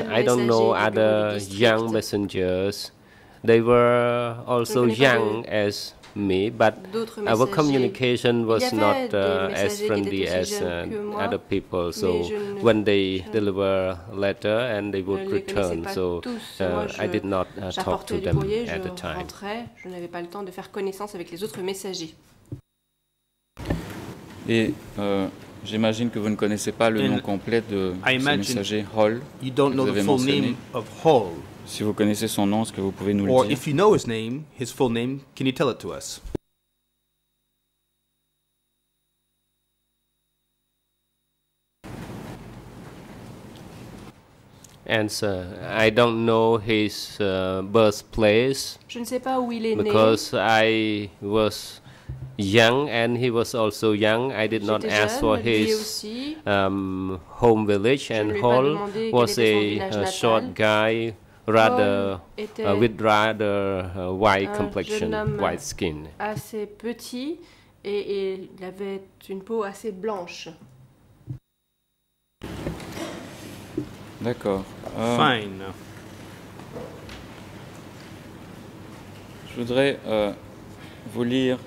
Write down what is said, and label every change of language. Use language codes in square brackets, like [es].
[en] I don't know other young messengers. They were also young as me, but our communication was not as friendly as other people. So when they deliver a letter and they would return, so I did not talk to them at the time. [fr] Je n'avais pas le temps de faire connaissance avec les autres messagers. Et j'imagine que vous ne connaissez pas le nom complet de ce messager Hall. [en] You don't know the full name of Hall. [fr] Si vous connaissez son nom, est-ce que vous pouvez nous [en] or [fr] le dire? [en] If you know his name, his full name, can you tell it to us? Answer. I don't know his birthplace. [fr] Je ne sais pas où il est né. [en] Because I was young and he was also young. I did not ask for his home village, and Hall was a short guy, rather with rather white complexion, white skin. [fr] Assez petit et il avait une peau assez blanche. D'accord. [en] Fine. [fr] Je voudrais vous lire